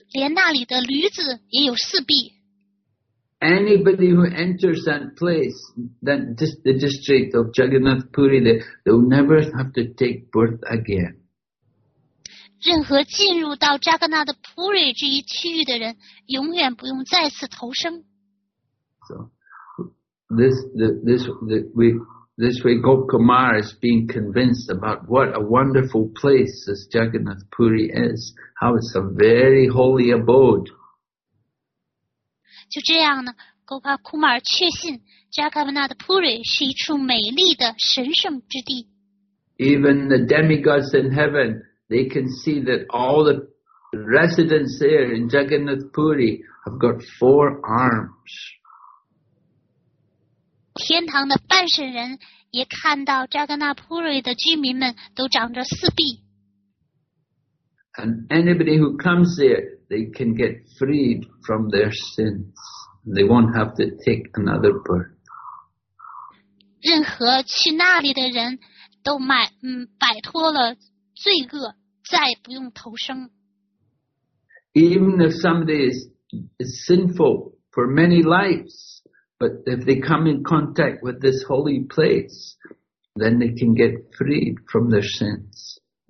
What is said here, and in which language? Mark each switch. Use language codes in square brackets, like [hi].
[zh] 连那里的驴子也有四臂。 [en] Anybody who enters that place, the district of Jagannath Puri, they will never have to take birth again. [zh] 任何进入到 Jagannath Puri 这一区域的人，永远不用再次投生。 [en] So, this way Gop Kumar is being convinced about what a wonderful place this Jagannath Puri is, how it's a very holy abode. [zh] 就这样呢 Gopal Kumar 确信 Jagannath Puri 是一处美丽的神圣之地。 [en] Even the demigods in heaven, they can see that all the residents there in Jagannath Puri have got four arms. [zh] 天堂的半神人也看到扎格纳普瑞的居民们都长着四臂。 [en] And anybody who comes there, they can get freed from their sins. They won't have to take another birth. [zh] 任何去那里的人都摆脱了罪恶，再不用投生。 [en] Even if somebody is sinful for many lives,But if they come in contact with this holy place, then they can get freed from their sins.